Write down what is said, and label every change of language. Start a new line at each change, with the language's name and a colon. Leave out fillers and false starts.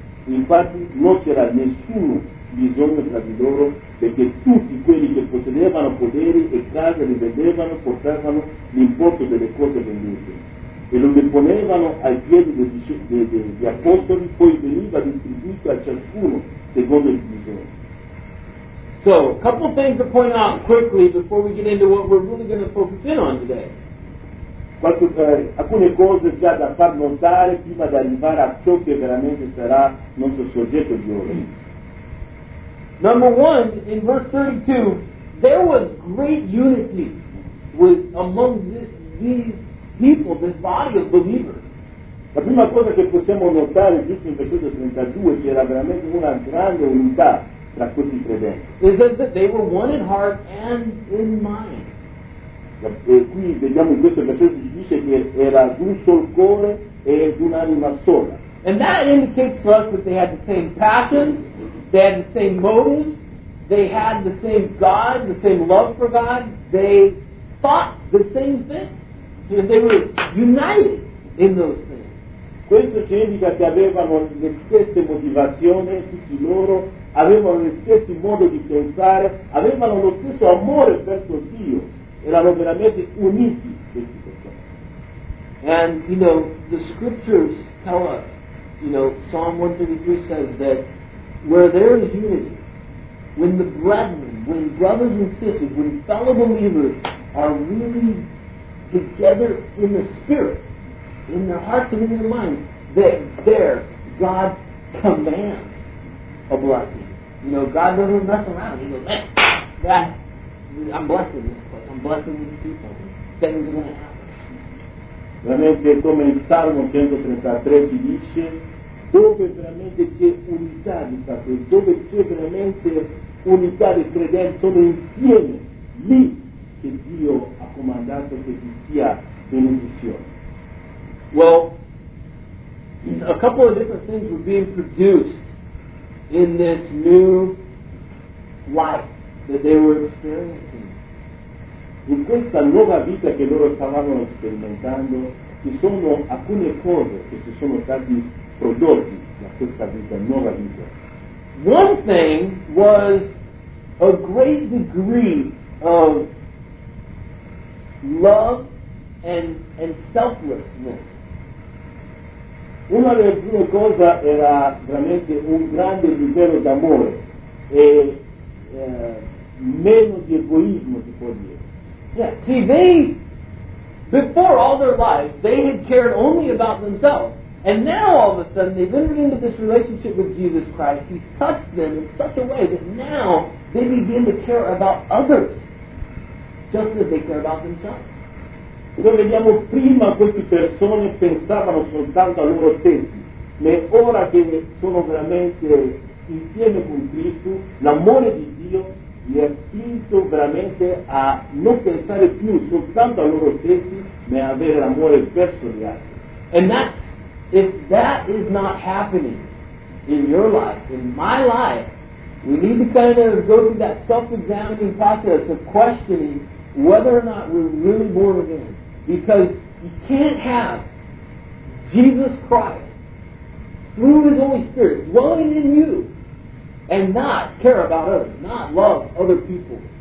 Italian: Infatti non c'era nessuno bisogno tra di loro, perché tutti quelli che possedevano poderi e case li vendevano, portavano l'importo delle cose vendute e lo deponevano ai piedi degli apostoli, poi veniva distribuito a ciascuno secondo il bisogno.
English: So, a couple things to point out quickly before we get into what we're really going to focus in on today.
Italian: Alcune cose già da far notare prima di arrivare a ciò che veramente sarà il nostro soggetto di oggi.
English: Number one, in verse 32, there was great unity with among these people, this body of believers.
Italian: La prima cosa che possiamo notare giusto in versetto 32 che era veramente una grande unità tra questi credenti.
English: It says that they were one in heart and in mind.
Italian: E qui vediamo in questo versetto si dice che era di un solo cuore e di un'anima sola.
English: And that indicates for us that they had the same passions, they had the same motives, they had the same God, the same love for God, they thought the same thing. They were united in those things.
Italian: Questo ci indica che avevano le stesse motivazioni, tutti loro, avevano lo stesso modo di pensare, avevano lo stesso amore verso Dio, erano veramente uniti questi persone.
English: And, you know, the scriptures tell us, you know, Psalm 133 says that where there is unity, when the brethren, when brothers and sisters, when fellow believers are really together in the spirit, in their hearts and in their minds, that there God commands a blessing. You know, God doesn't mess around. He goes, man, that, I'm blessing this place. I'm blessing these people. Things are going to happen.
Italian: Veramente come il Salmo 133 ci dice, dove veramente c'è unità di fatto, dove c'è veramente unità di credenti, sono insieme lì che Dio ha comandato che ci sia benedizione.
English: Well, a couple of different things were being produced in this new life that they were experiencing.
Italian: In questa nuova vita che loro stavano sperimentando, ci sono alcune cose che si sono stati prodotti da questa vita, nuova vita.
English: One thing was a great degree of love and selflessness.
Italian: Una delle prime cose era veramente un grande livello d'amore e meno di egoismo, si può dire.
English: Yeah, see, they, before all their lives, they had cared only about themselves. And now, all of a sudden, they've entered into this relationship with Jesus Christ. He's touched them in such a way that now they begin to care about others, just as they care about themselves.
Italian: Come vediamo, prima queste persone pensavano soltanto a loro stessi, ma ora che sono veramente insieme con Cristo l'amore di Dio li ha spinto veramente a non pensare più soltanto a loro stessi ma avere l'amore verso gli altri.
English: And that, if that is not happening in your life, in my life, we need to kind of go through that self-examining process of questioning whether or not we're really born again. Because you can't have Jesus Christ through His Holy Spirit dwelling in you and not care about others, not love other people.